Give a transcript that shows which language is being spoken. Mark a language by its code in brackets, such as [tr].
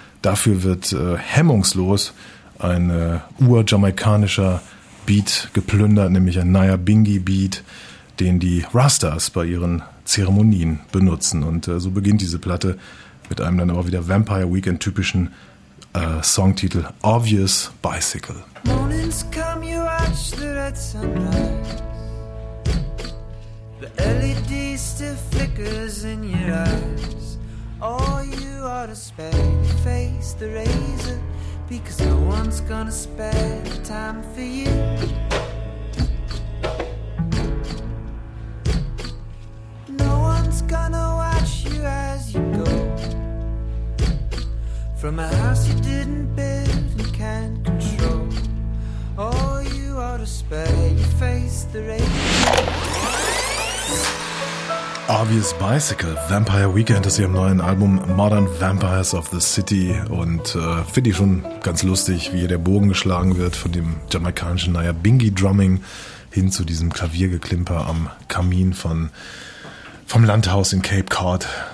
[de] Dafür wird hemmungslos ein urjamaikanischer Beat geplündert, nämlich ein Naya Bingi Beat, den die Rastas bei ihren Zeremonien benutzen. Und so beginnt diese Platte mit einem dann aber wieder Vampire Weekend typischen Songtitel Obvious Bicycle. [en] Mornings come, you watch the red sunrise. The LED still flickers in your eyes. All you are to spare, face the razor, because no one's gonna spare time for you. No one's gonna watch you as you go from a house you didn't build and can't control. All you are to spare, you face the razor. [de] Obvious Bicycle, Vampire Weekend ist ihrem neuen Album Modern Vampires of the City und finde ich schon ganz lustig, wie hier der Bogen geschlagen wird von dem jamaikanischen Naya Bingi Drumming hin zu diesem Klaviergeklimper am Kamin vom Landhaus in Cape Cod.